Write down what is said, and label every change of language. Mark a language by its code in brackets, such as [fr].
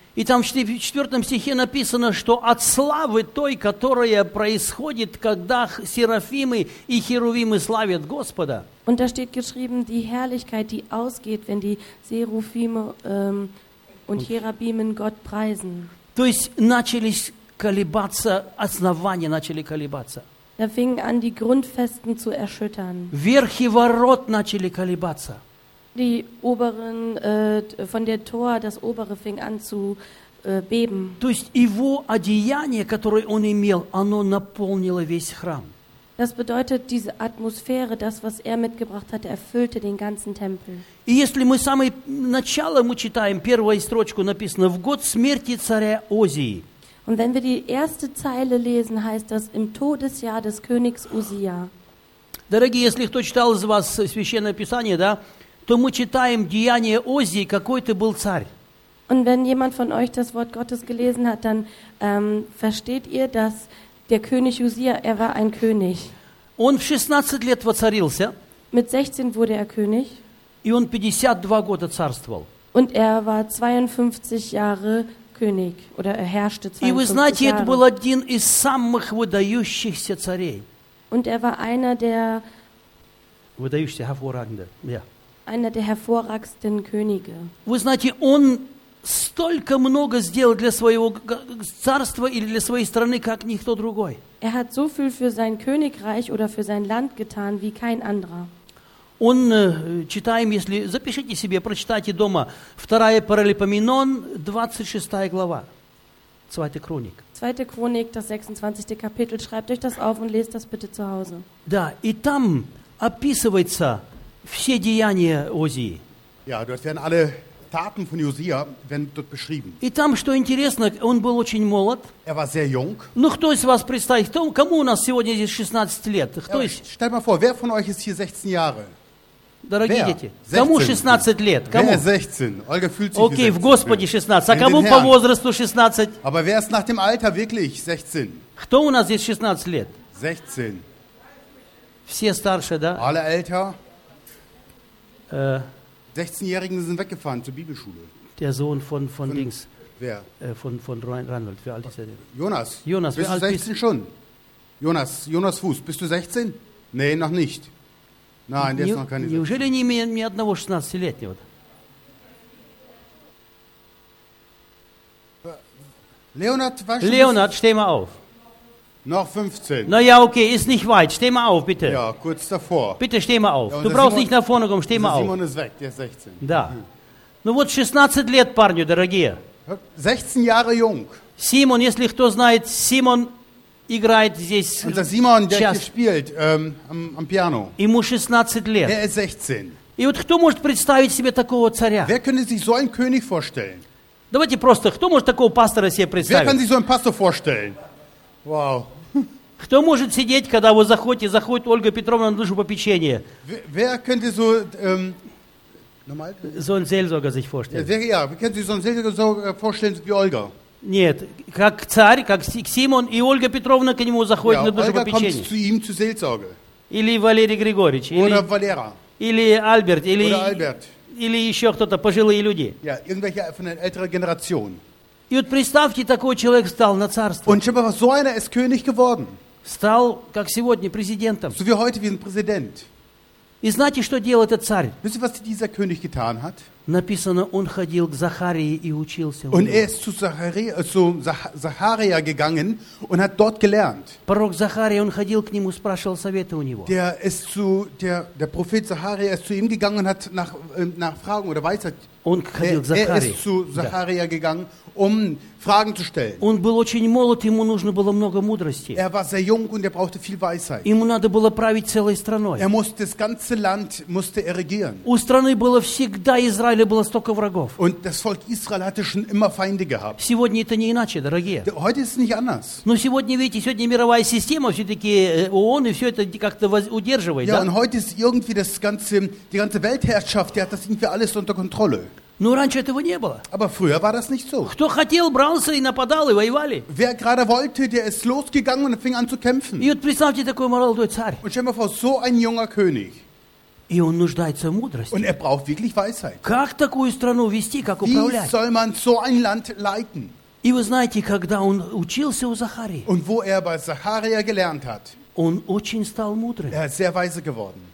[ru] И там в 4 стихе написано, что от славы той, которая происходит, когда серафимы и херувимы славят Господа. [de] Und da steht geschrieben, die Herrlichkeit, die ausgeht, wenn die Serafime und Cherubimen Gott preisen. [ru] То есть начались колебаться, основания начали колебаться. [de] Da fingen an, die Grundfesten zu erschüttern. [ru] Верхи ворот начали колебаться. [de] Die oberen, von der Tor, das obere fing an zu beben. [ru] То есть его одеяние, которое он имел, оно наполнило весь храм. [de] Das bedeutet, diese Atmosphäre, das, was er mitgebracht hat, erfüllte den ganzen Tempel. [ru] И если мы с самого начала мы читаем, первую строчку написано, в год смерти царя Озии. [de] Und wenn wir die erste Zeile lesen, heißt das, im Todesjahr des Königs Usia. [ru] Дорогие, если кто читал из вас Священное Писание, да, то мы читаем деяния Озии, какой ты был царь. [de] Und wenn jemand von euch das Wort Gottes gelesen hat, dann versteht ihr, dass der König Usia, er war ein König. [ru] Он в 16 лет воцарился. [de] Mit 16 wurde er König. [ru] И он 52 года царствовал. [de] Und er war 52 Jahre König, oder er herrschte 52 Jahre. [ru] И вы знаете, [de] Jahre. [ru] Это был один из самых выдающихся царей. [de] Und er war einer der [ru] выдающихся, [de] hervorragende, ja. Einer der hervorragendsten Könige. [ru] Вы знаете, он столько много сделал для своего царства или для своей страны, как никто другой. [de] Er hat so viel für sein Königreich oder für sein Land getan, wie kein anderer. [ru] Он, читаем, если запишите себе, прочитайте дома, 2 Паралипоменон, 26 глава, 2 Хроник. [de] 2 Chronik, das 26. Kapitel, schreibt euch das auf und lest das bitte zu Hause. [ru] Да, и там описывается все деяния Озии. [de] Ja, dort werden alle Taten von Josia werden dort beschrieben. [ru] И там, что интересно, он был очень молод. [de] Er war sehr jung. [ru] Ну, кто из вас представит, кому у нас сегодня здесь 16 лет? Кто ja, [de] stell mal vor, wer von euch ist hier 16 Jahre? [ru] Дорогие [de] wer? [ru] Дети, 16. Кому 16 лет? Кому? [de] Wer 16? Olga fühlt sich okay, 16. [ru] Okay, в Господе 16. А кому по возрасту 16? [de] Aber wer ist nach dem Alter wirklich 16? [ru] Кто у нас здесь 16 лет? 16. Все старше, да? [de] Alle älter. 16-Jährigen sind weggefahren zur Bibelschule. Der Sohn von Dings. Wer? Von Reinhold. Wie alt ist er denn? Jonas. Jonas, bist du 16 schon? Jonas Fuß, bist du 16? Nee, noch nicht. Nein, der ist noch keine 16. [ru] Неужели ни одного 16-летнего? [de] Leonard, steh mal auf. Noch 15. Na ja, okay, ist nicht weit. Steh mal auf, bitte. Ja, kurz davor. Bitte steh mal auf. Ja, du brauchst Simon, nicht nach vorne kommen, steh mal auf. Simon ist weg, der ist 16. Da. [ru] Ну вот 16 лет, парню, дорогие. [de] 16 Jahre jung. [ru] Simon, если кто знает, Simon играет здесь. [de] Unser Simon, der hier spielt, am Piano. [ru] Ему 16 лет. [de] Er ist 16. [ru] И вот кто может представить себе такого царя? [de] Wer könnte sich so einen König vorstellen? [ru] Давайте просто, кто может такого пастора себе представить? [de] Wer kann sich so einen Pastor vorstellen? Wow. [ru] Кто может сидеть, когда вы заходите, заходит Ольга Петровна на душу попечения? [de] Wer könnte so normal so einen Seelsorger sich vorstellen? Ja, wie können Sie so einen Seelsorger vorstellen wie Olga? [ru] Нет, как царь, как Симон и Ольга Петровна к нему заходит на душу попечения. [de] Ja, Olga kommt zu ihm zur Seelsorge. [ru] Или Валерий Григорьевич. [de] Oder [ru] или Валера. Или Альберт. Или Альберт. Или еще кто-то, пожилые люди. [de] Ja, irgendwelche von der älteren Generation. [ru] И вот представьте, такой человек стал на царство. [de] Und schon mal so einer ist König geworden. [ru] Стал, как сегодня, президентом. [de] So wie heute, wie ein Präsident. [ru] И знаете, что делал этот царь? [de] Wisst ihr, was dieser König getan hat? [ru] Написано, он ходил к Захарии и учился. [de] Und er ist zu Zacharia gegangen und hat dort gelernt. [ru] Пророк Захария, он ходил к нему, спрашивал совета у него. [de] Der Prophet Zacharia ist zu ihm gegangen und hat nach Fragen oder Weisheit. [ru] Он ходил к Захарии. [de] Er ist zu Zacharia gegangen, um Fragen zu stellen. [ru] Он был очень молод, ему нужно было много мудрости. [de] Er war sehr jung und er brauchte viel Weisheit. [ru] Ему надо было править целой страной. [de] Er musste das ganze Land musste er regieren. [ru] У страны было всегда Израиль. Было столько врагов. [de] Und das Volk Israel hatte schon immer Feinde gehabt. [ru] Сегодня это не иначе, дорогие. [de] Heute ist es nicht anders. [ru] Но сегодня, видите, сегодня мировая система все-таки ООН и все это как-то удерживает, [de] ja, [ru] да? [de] Und heute ist irgendwie das ganze, die ganze Weltherrschaft, die hat das irgendwie alles unter Kontrolle. [ru] Но раньше этого не было. [de] Aber früher war das nicht so. [ru] Кто хотел, брался и нападал, и воевали. [de] Wer gerade wollte, der ist losgegangen und fing an zu kämpfen. [ru] И вот представьте, такой молодой царь. [de] Und stell mal vor, so ein junger König. [ru] И он нуждается в мудрости. [de] Und er braucht wirklich Weisheit. [ru] Как такую страну вести, как [de] Wie [ru] управлять? [de] Wie soll man so ein Land leiten? [ru] И вы знаете, когда он учился у Захарии? [de] Und wo er bei Zacharia gelernt hat? [ru] Он очень стал мудрым. [de] Er ist sehr weise geworden.